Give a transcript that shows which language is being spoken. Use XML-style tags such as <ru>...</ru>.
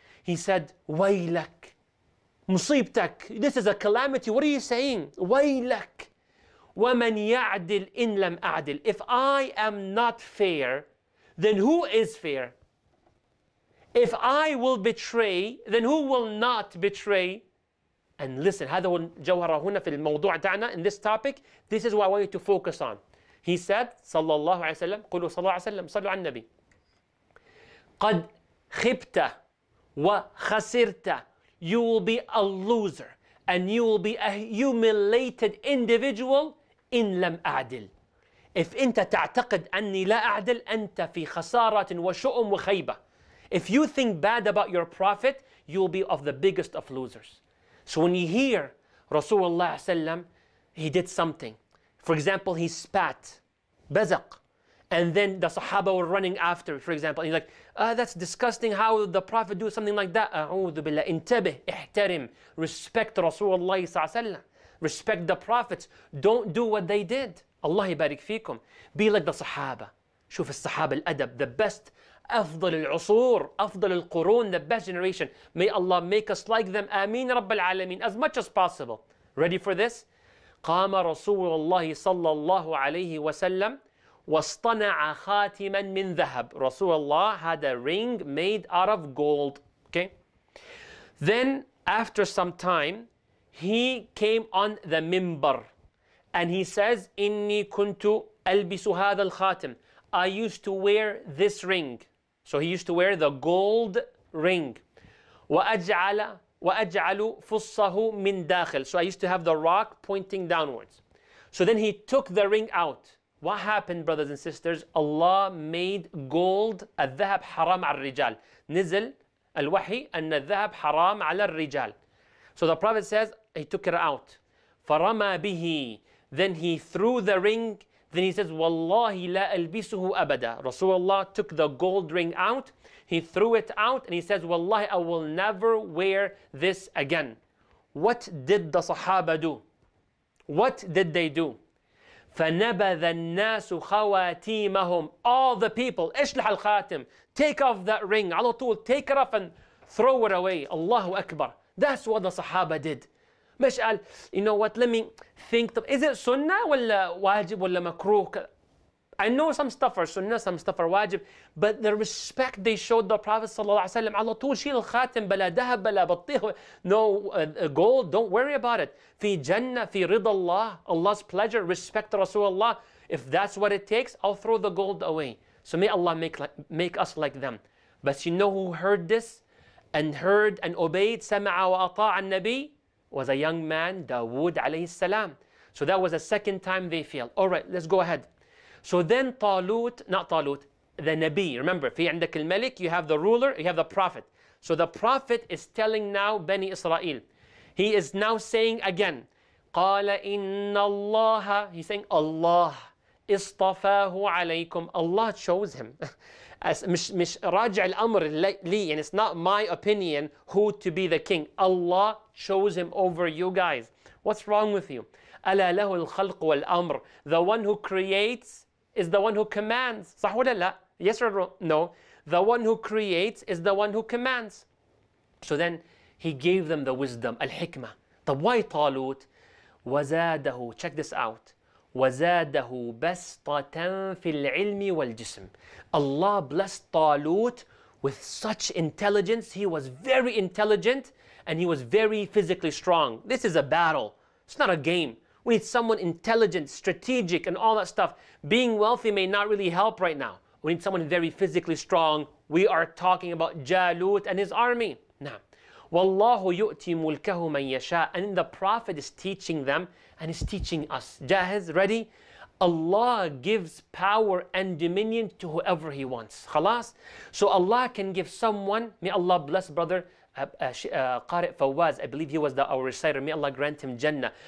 <en>He said, waylak.</en> <ar>مصيبتك.</ar> <en>This is a calamity. What are you saying?</en> <ar>ويلك. ومن يعدل إن لم أعدل.</ar> <en>If I am not fair, then who is fair? If I will betray, then who will not betray? And listen,</en> <ar>هذا هو الجوهرة هنا في الموضوع تاعنا,</ar> <en>in this topic. This is what I want you to focus on. He said,</en> <ar>صلى الله عليه وسلم, قلوا صلى الله عليه وسلم, صلوا على النبي. قد خبت وخسرت.</ar> <en>You will be a loser and you will be a humiliated individual in</en> <ar>لم أعدل. If أنت تعتقد أني لا أعدل, أنت في خسارة وشؤم وخيبة.</ar> <en>If you think bad about your prophet, you will be of the biggest of losers. So when you hear</en> <ar>رسول الله صلى الله عليه وسلم,</ar> <en>he did something. For example, he spat, بزق. And then the Sahaba were running after, for example. And he's like, oh, that's disgusting how the Prophet do something like that.</en> <ar>أعوذ بالله. انتبه. احترم.</ar> <en>Respect</en> <ar>رسول الله صلى الله عليه وسلم.</ar> <en>Respect the Prophets. Don't do what they did.</en> <ar>الله يبارك فيكم.</ar> <en>Be like the Sahaba.</en> <ar>شوف الصحابة الأدب.</ar> <en>The best.</en> <ar>أفضل العصور. أفضل القرون.</ar> <en>The best generation. May Allah make us like them.</en> <ar>آمين رب العالمين.</ar> <en>As much as possible. Ready for this?</en> <ar>قام رسول الله صلى الله عليه وسلم واصطنع خاتما من ذهب.</ar> <en>رسول الله had a ring made out of gold. Okay. Then after some time, he came on the minbar, and he says,</en> <ar>إني كنت ألبس هذا الخاتم.</ar> <en>I used to wear this ring. So he used to wear the gold ring.</en> <ar>وأجعل فصه من داخل.</ar> <en>So I used to have the rock pointing downwards. So then he took the ring out. What happened, brothers and sisters? Allah made gold,</en> <ar>الذهب حرام على الرجال. نزل الوحي أن الذهب حرام على الرجال.</ar> <en>So the Prophet says, he took it out.</en> <ar>فرمى به.</ar> <en>Then he threw the ring. Then he says,</en> <ar>والله لا ألبسه أبدا.</ar> <en>Rasulullah took the gold ring out. He threw it out and he says, والله I will never wear this again. What did the Sahaba do? What did they do?</en> <ar>فنبذ الناس خواتيمهم.</ar> <en>All the people,</en> <ar>اشلح الخاتم,</ar> <en>take off that ring,</en> <ar>على طول,</ar> <en>take it off and throw it away.</en> <ar>الله أكبر.</ar> <en>That's what the Sahaba did.</en> <ar>مش قال,</ar> <en>you know what, let me think, is it sunnah</en> <ar>ولا واجب ولا مكروه.</ar> <en>I know some stuff are sunnah, some stuff are wajib, but the respect they showed the Prophet</en> <ar>صلى الله عليه وسلم, على طول شيل الخاتم, بلا ذهب بلا بطيخ,</ar> <en>no gold, don't worry about it.</en> <ar>في جنة, في رضا الله,</ar> <en>Allah's pleasure, respect</en> <ar>رسول الله.</ar> <en>If that's what it takes, I'll throw the gold away. So may Allah make us like them. But you know who heard this and heard and obeyed,</en> <ar>سمع وأطاع النبي,</ar> <en>was a young man, داود عليه السلام. So that was the second time they failed. All right, let's go ahead. So then Talut, not Talut, the Nabi, remember,</en> <ar>في عندك الملك,</ar> <en>you have the ruler, you have the prophet. So the prophet is telling now Bani Israel. He is now saying again,</en> <ar>قال إن الله,</ar> <en>he's saying Allah,</en> <ar>اصطفاه عليكم,</ar> <en>Allah chose him.</en> <ar>مش مش راجع الأمر لي يعني</ar> <en>it's not my opinion who to be the king. Allah chose him over you guys. What's wrong with you?</en> <ar>ألا له الخلق والأمر.</ar> <en>The one who creates is the one who commands.</en> <ar>صح ولا لا?</ar> <en>Yes or no? The one who creates is the one who commands. So then he gave them the wisdom, الحكمة.</en> <ar>طب why طالوت?</ar> <en>وزاده, check this out.</en> <ar>وزاده بسطة في العلم والجسم.</ar> <en>Allah blessed طالوت with such intelligence. He was very intelligent and he was very physically strong. This is a battle. It's not a game. We need someone intelligent, strategic, and all that stuff. Being wealthy may not really help right now. We need someone very physically strong. We are talking about جالوت and his army.</en> <ar>Now, والله يؤتي ملكه من يشاء.</ar> <en>And the Prophet is teaching them and is teaching us.</en> <ar>جاهز?</ar> <en>Ready? Allah gives power and dominion to whoever he wants.</en> <ar>خلاص?</ar> <en>So Allah can give someone, may Allah bless brother Qari' Fawaz, I believe he was our reciter. May Allah grant him Jannah.</en>